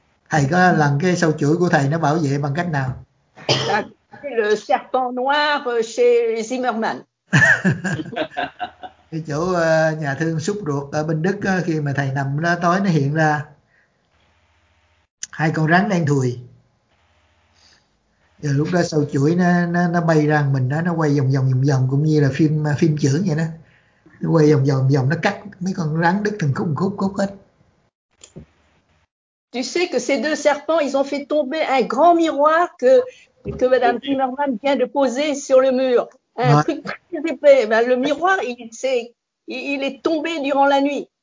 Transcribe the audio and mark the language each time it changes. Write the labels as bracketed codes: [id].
[vi] Thầy có lần cái sâu chuỗi của thầy nó bảo vệ bằng cách nào? [fr] Le serpent noir chez Zimmermann. [vi] Cái chỗ nhà thương xúc ruột ở bên Đức, khi mà thầy nằm đó tối nó hiện ra hai con rắn đang thùi. Rồi lúc đó sâu chuỗi nó bay ra mình đó, nó quay vòng vòng cũng như là phim chưởng vậy đó. quay vòng vòng vòng nó cắt mấy con rắn đứt từng khúc khúc khúc hết. [fr] Tu sais que ces deux serpents, ils ont fait tomber un grand miroir que Madame Timmerman vient de poser sur le mur. Un truc très épais. Ben, le miroir, il est tombé durant la nuit.